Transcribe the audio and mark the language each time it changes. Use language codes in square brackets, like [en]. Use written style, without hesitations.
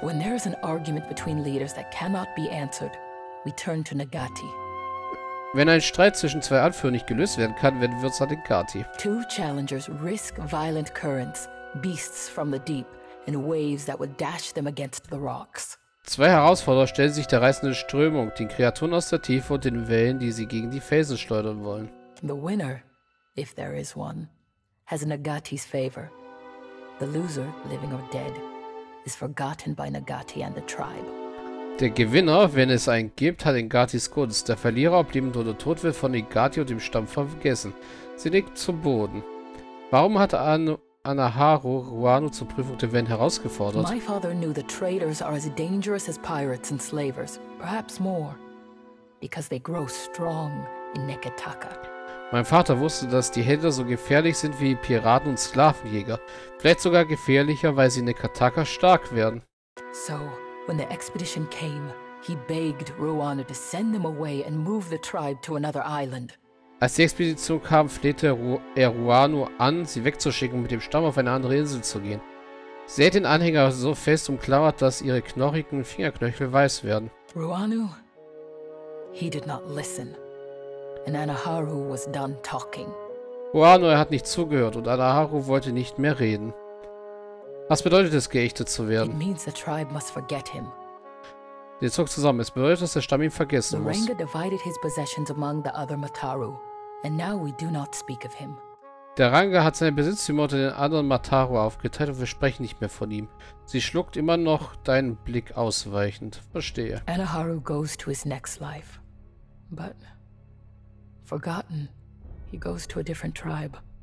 [en] When there is an argument between leaders that cannot be answered, we turn to Nagati. [de] Wenn ein Streit zwischen zwei Anführern nicht gelöst werden kann, wenden wir uns an den Gati. [en] Two challengers risk violent currents, beasts from the deep, and waves that would dash them against the rocks. [de] Zwei Herausforderer stellen sich der reißenden Strömung, den Kreaturen aus der Tiefe und den Wellen, die sie gegen die Felsen schleudern wollen. [en] The winner, if there is one, has Nagati's favor. The loser, living or dead, is forgotten by Nagati and the tribe. [de] Der Gewinner, wenn es einen gibt, hat Ngatis Gunst. Der Verlierer, ob lebend oder tot, wird von Ngati und dem Stamm vergessen. Sie liegt zum Boden. Warum hat Anaharu Ruanu zur Prüfung der Wellen herausgefordert? [en] My father knew the traders are as dangerous as pirates and slavers, perhaps more, because they grow strong in Neketaka. [de] Mein Vater wusste, dass die Händler so gefährlich sind wie Piraten und Sklavenjäger. Vielleicht sogar gefährlicher, weil sie in Neketaka stark werden. So. [en] When the expedition came, he begged Ruanu to send them away and move the tribe to another island. [de] Als die Expedition kam, flehte er Ruanu an, sie wegzuschicken und mit dem Stamm auf eine andere Insel zu gehen. Sie hält den Anhänger so fest umklammert, dass ihre knochigen Fingerknöchel weiß werden. [en] Ruanu, he did not listen. And Anaharu was done talking. [de] Ruanu, er hat nicht zugehört und Anaharu wollte nicht mehr reden. Was bedeutet es, geächtet zu werden? [en] It means the tribe must forget him. [de] Sie zog zusammen. Es bedeutet, dass der Stamm ihn vergessen muss. [en] The Renga divided his possessions among the other Mataru, and now we do not speak of him. [de] Der Ranga hat seine Besitztümer unter den anderen Mataru aufgeteilt und wir sprechen nicht mehr von ihm. Sie schluckt immer noch deinen Blick ausweichend. Verstehe. [en] Anaharu goes to his next life, but forgotten, he goes to a different tribe.